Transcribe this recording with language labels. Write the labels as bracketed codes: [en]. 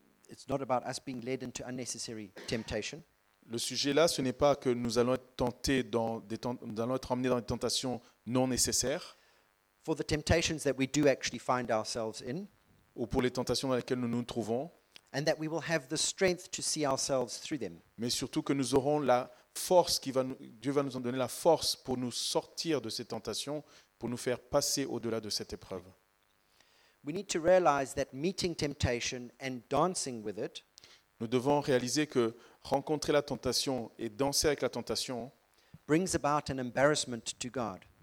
[en] It's not about us being led into unnecessary temptation. [fr] Le sujet là, ce n'est pas que nous allons être tentés nous allons être emmenés dans des tentations non nécessaires. [en] For the temptations that we do actually find ourselves in. [fr] Ou pour les tentations dans lesquelles nous nous trouvons. [en] And that we will have the strength to see ourselves through them. [fr] Mais surtout que nous aurons la force Dieu va nous en donner la force pour nous sortir de ces tentations, pour nous faire passer au-delà de cette épreuve. [en] We need to realize that meeting temptation and dancing with it. [fr] Nous devons réaliser que rencontrer la tentation et danser avec la tentation [en] brings about an embarrassment to God.